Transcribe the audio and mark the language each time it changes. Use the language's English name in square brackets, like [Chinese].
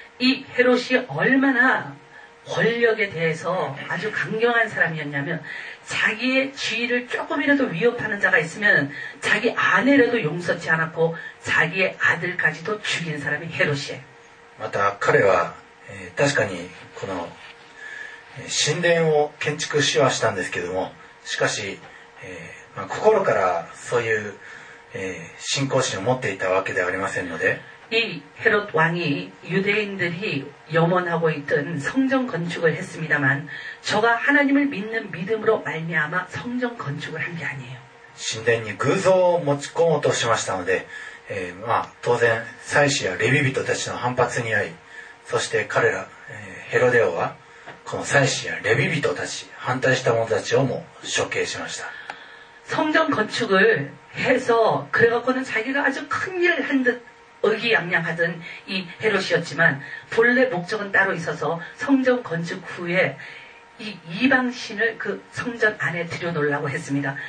[Korean] 이헤롯이얼마나권력에대해서아주강경한사람이었냐면자기의지위를조금이라도위협하는자가있으면자기아내라도용서치않았고자기의아들까지도죽인사람이헤롯이에요 [Japanese] また彼は、確かにこの神殿を建築しはしたんですけどもしかし、まあ、心からそういう、信仰心を持っていたわけではありませんので [Korean] 이 헤롯 왕이 유대인들이 염원하고 있던 성전 건축을 했습니다만 저가 하나님을 믿는 믿음으로 말미암아 성전 건축을 한 게 아니에요. 신전에 [Japanese] 偶像を持ち込もうとしましたので、当然祭司やレビ人たちの反発に遭い、そして彼らヘロデオはこの祭司やレビ人たち反対した者たちをも処刑しました。 [Korean] 성전 건축을 해서 그래갖고는 자기가 아주 큰 일을 한 듯 의기양양하던 이 헤롯이었지만 본래 목적은 따로 있어서 성전 건축 후에 이 이방신을 그 성전 안에 들여놓으려고 했습니다.